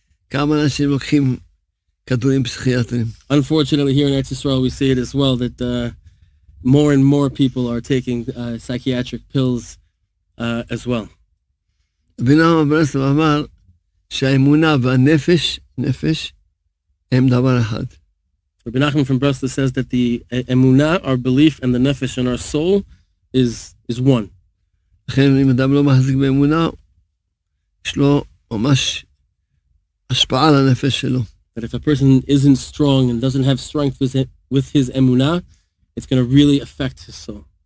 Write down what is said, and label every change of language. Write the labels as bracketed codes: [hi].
[he] כמה אנשים לוקחים כדורים פסיכיאטריים. [en] Unfortunately, here in Eretz Yisrael, we see it as well, that more and more people are taking psychiatric pills as well. [he] רבי נחמן מברסלב אמר שהאמונה והנפש, נפש, הם דבר אחד. [en] Rabbi Nachman from Breslov says that the emunah, our belief, and the nefesh, and our soul, is one. [he] לכן, אם אדם לא מחזיק באמונה, יש לו ממש... [en] But if a person isn't strong and doesn't have strength with his emunah, it's going to really affect his soul.